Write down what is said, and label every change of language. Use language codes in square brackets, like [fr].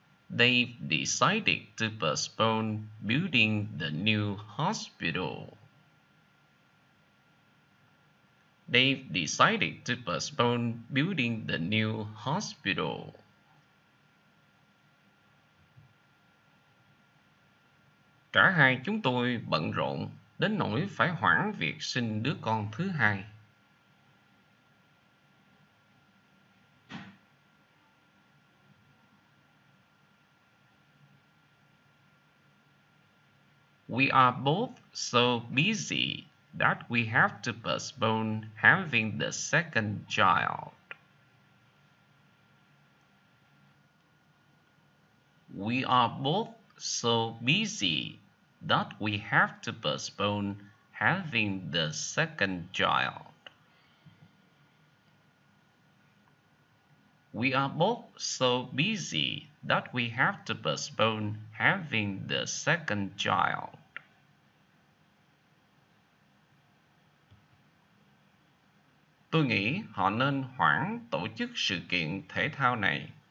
[en] They've decided to postpone building the new hospital. They've decided to postpone building the new hospital. [vi] Cả hai chúng tôi bận rộn đến nỗi phải hoãn việc sinh đứa con thứ hai. [en] We are both so busy that we have to postpone having the second child. We are both so busy that we have to postpone having the second child. We are both so busy that we have to postpone having the second child. [vi] Tôi nghĩ họ nên hoãn tổ chức sự kiện thể thao này.